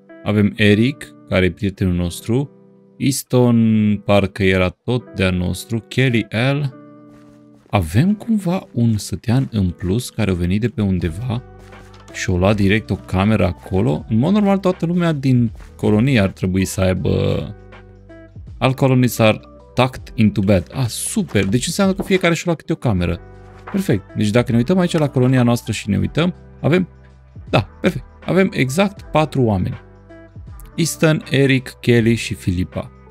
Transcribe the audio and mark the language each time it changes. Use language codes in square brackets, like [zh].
[ro] Avem Eric, care e prietenul nostru. Easton, parcă era tot de-a nostru. Kelly L. Avem cumva un sătean în plus care a venit de pe undeva și a luat direct o cameră acolo. În mod normal, toată lumea din colonie ar trebui să aibă... [en] Al colonists are tucked into bed. [ro] Ah, super! Deci înseamnă că fiecare și-a luat câte o cameră. Perfect. Deci dacă ne uităm aici la colonia noastră și ne uităm, avem... Da, perfect. Avem exact 4 oameni. Easton, Eric, Kelly și Filipa.